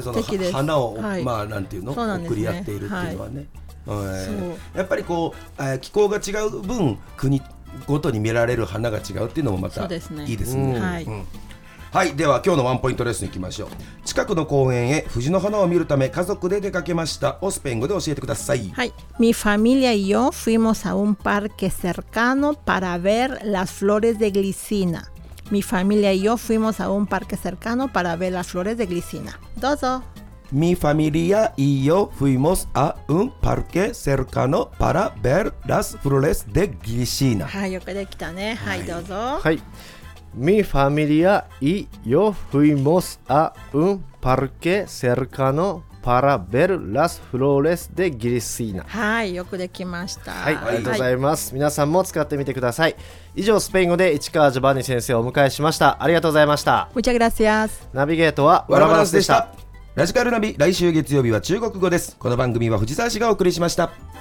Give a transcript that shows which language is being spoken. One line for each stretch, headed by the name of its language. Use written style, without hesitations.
Japanese: その花を、はい、なんていうの、うね、送り合っているっていうのはね、はい、そう、やっぱりこう、気候が違う分国ごとに見られる花が違うっていうのもまたいいですね。はい、では今日のワンポイントレッスンいきましょう。近くの公園へ藤の花を見るため家族で出かけましたをスペイン語で教えてください。
Spanish: はい、mi familia y yo fuimos a un parque cercano para ver las flores de glicina. Mi familia y yo fuimos a un parque cercano para ver las flores de glicina.
Japanese: どうぞ。
Spanish: mi familia y yo fuimos a un parque cercano para ver las flores de glicina.
Japanese: はい、よくできたね。はい、どうぞ。
Spanish: はい、Mi familia y yo fuimos a un parque cercano para ver las flores de glicina.
Japanese: はい、よくできました。はい、ありがとうございます。はい、皆さんも使ってみてください。以上、スペイン語で市川ジョバンニ先生をお迎えしました。ありがとうございました。
Spanish: Muchas gracias.
Japanese: ナビゲートはワラバランスでした。ラジカルナビ、来週月曜日は中国語です。この番組は藤沢市がお送りしました。